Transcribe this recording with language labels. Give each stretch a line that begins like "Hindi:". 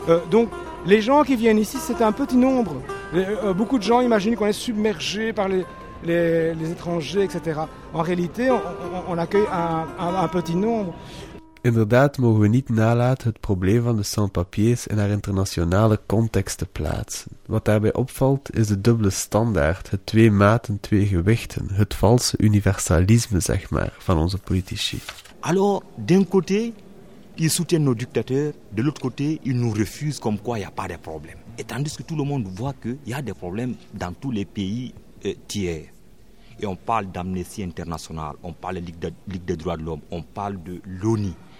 French: Donc, les gens qui viennent ici, c'est un petit nombre. Beaucoup de gens imaginent qu'on est submergé par les étrangers, etc. En réalité, on accueille un petit nombre.
Dutch: Inderdaad mogen we niet nalaten het probleem van de sans-papiers in haar internationale context te plaatsen. Wat daarbij opvalt is de dubbele standaard, het twee maten, twee gewichten, het valse universalisme, zeg maar, van onze politici.
French: Alors, d'un côté, ils soutiennent nos dictateurs, de l'autre côté, ils nous refusent comme quoi il n'y a pas de problème. Et tandis que tout le monde voit qu'il y a des problèmes dans tous les pays tiers. Et on parle d'Amnesty International, on parle de Ligue des droits de l'homme, on parle de l'ONU.